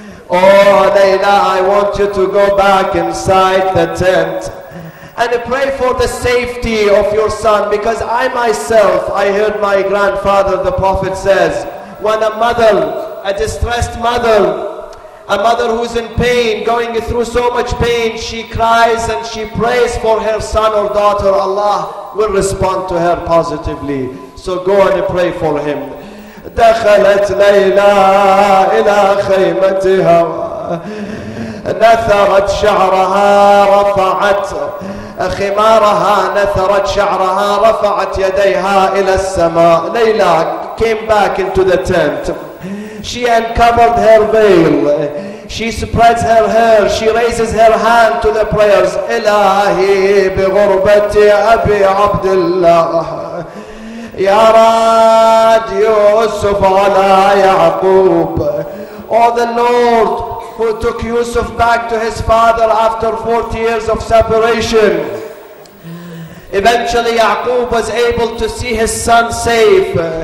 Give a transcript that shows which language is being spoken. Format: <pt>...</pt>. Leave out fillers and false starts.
<en>Oh Layla, I want you to go back inside the tent and pray for the safety of your son, because I heard my grandfather the Prophet says, when a mother, a distressed mother, a mother who's in pain, going through so much pain, she cries and she prays for her son or daughter, Allah will respond to her positively. So go and pray for him.</en> <ar>دخلت ليلى إلى خيمتها نثرت شعرها رفعت خمارها نثرت شعرها رفعت يديها إلى السماء.</ar> <en>Layla came back into the tent. She uncovered her veil. She spreads her hair. She raises her hand to the prayers.</en> <ar>إلهي بغربة أبي عبد الله يا راد يوسف ولا يعقوب.</ar> <en>Oh, the Lord who took Yusuf back to his father after 40 years of separation. Eventually, Yaqub was able to see his son safe.</en>